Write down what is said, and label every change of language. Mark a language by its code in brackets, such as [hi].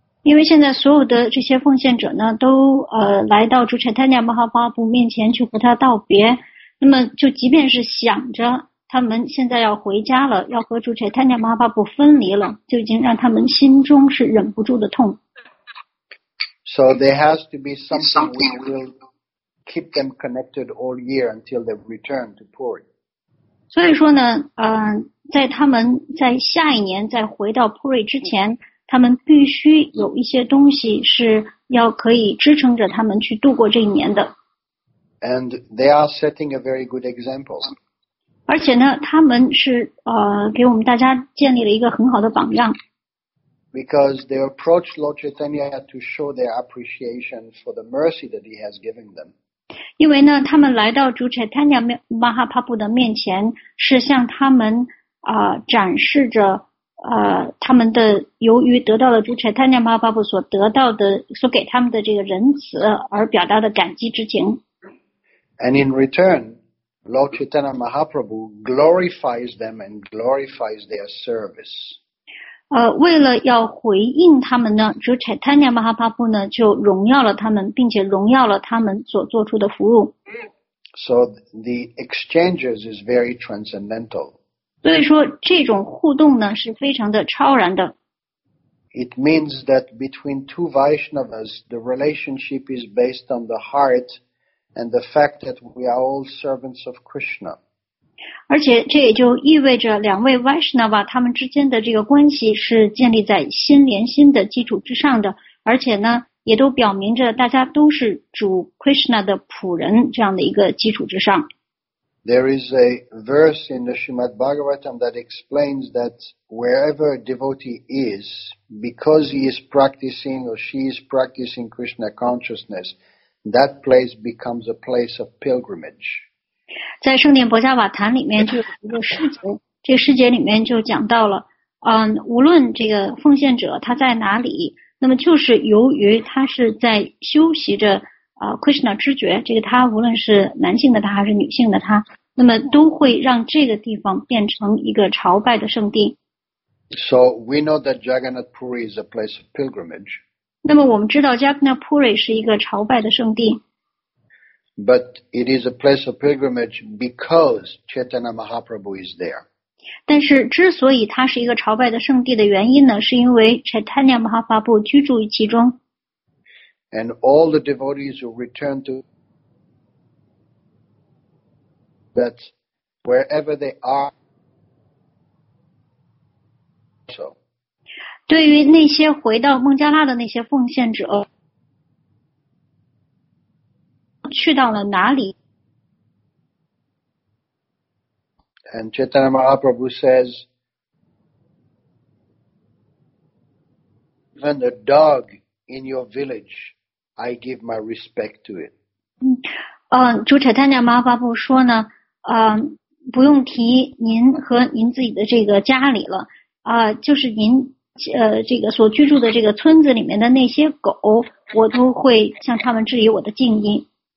[zh] 因为现在所有的这些奉献者呢都来到主 Chaitanya Mahaprabhu 面前去和他道别，那么就即便是想着他们现在要回家了，要和主 Chaitanya Mahaprabhu 分离了，就已经让他们心中是忍不住的痛。 [en] So there has to be something which will keep them connected all year until they return to Puri. [zh] 所以说呢，在他们在下一年再回到 Puri 之前，他们必须有一些东西是要可以支撑着他们去度过这一年的。 [en] And they are setting a very good example. [zh] 而且呢他们是给我们大家建立了一个很好的榜样。 [en] Because they approached Lord Chaitanya to show their appreciation for the mercy that he has given them. [zh] 因为呢他们来到主 Chaitanya Mahaprabhu 的面前是向他们展示着他们的由于得到了主 Chaitanya Mahaprabhu 所得到的所给他们的这个仁慈而表达的感激之情。 [en] And in return,Lord Chaitanya Mahaprabhu glorifies them and glorifies their service. [zh] 为了要回应他们呢，主 Chaitanya Mahaprabhu 呢就荣耀了他们，并且荣耀了他们所做出的服务。 [en] So the exchanges is very transcendental. [zh] 所以说这种互动呢是非常的超然的。 [en] It means that between two Vaishnavas, the relationship is based on the heart. And the fact that we are all servants of Krishna. [zh] 而且这也就意味着两位 Vaishnava 他们之间的这个关系是建立在心连心的基础之上的，而且呢也都表明着大家都是主 Krishna 的仆人这样的一个基础之上。 [en] There is a verse in the Srimad Bhagavatam that explains that wherever a devotee is, because he is practicing or she is practicing Krishna consciousness,That place becomes a place of pilgrimage. [zh] 在圣殿博伽瓦坛里面就有一个师节，这师节里面就讲到了，无论这个奉献者他在哪里，那么就是由于他是在修习着， Krishna 知觉，这个他无论是男性的他还是女性的他，那么都会让这个地方变成一个朝拜的圣地。 [en] So we know that Jagannath Puri is a place of pilgrimage. [zh] 那么我们知道 Jagannath Puri 是一个朝拜的圣地。 [en] But it is a place of pilgrimage because Chaitanya Mahaprabhu is there. [zh] 但是之所以它是一个朝拜的圣地的原因呢，是因为 Chaitanya Mahaprabhu 居住于其中。 [en] And all the devotees who return to that wherever they are. So, [zh] 对于那些回到孟加拉的那些奉献者，去到了哪里？ [en] And Chaitanya Mahaprabhu says, even the dog in your village. I give my respect to it. [zh] 主查坦尼亚马哈巴布说呢，不用提您和您自己的这个家里了，就是您这个所居住的这个村子里面的那些狗，我都会向他们致以我的敬意。